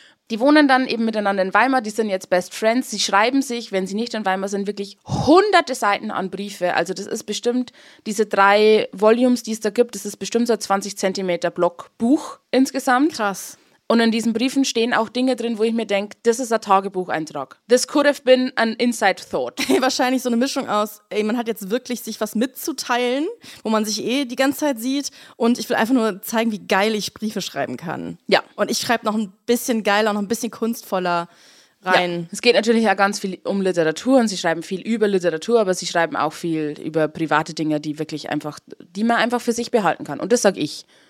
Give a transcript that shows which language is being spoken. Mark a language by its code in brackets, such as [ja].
[de] Die wohnen dann eben miteinander in Weimar, die sind jetzt Best Friends. Sie schreiben sich, wenn sie nicht in Weimar sind, wirklich hunderte Seiten an Briefe. Also das ist bestimmt, diese 3 Volumes, die es da gibt, das ist bestimmt so ein 20 Zentimeter Block Buch insgesamt. Krass. Und in diesen Briefen stehen auch Dinge drin, wo ich mir denke, das ist ein Tagebucheintrag. [en] This could have been an inside thought. [de] Wahrscheinlich so eine Mischung aus, ey, man hat jetzt wirklich sich was mitzuteilen, wo man sich eh die ganze Zeit sieht. Und ich will einfach nur zeigen, wie geil ich Briefe schreiben kann. Ja. Und ich schreibe noch ein bisschen geiler, noch ein bisschen kunstvoller rein. Ja. Es geht natürlich ja ganz viel um Literatur und sie schreiben viel über Literatur, aber sie schreiben auch viel über private Dinge, die wirklich einfach, die man einfach für sich behalten kann. Und das sage ich.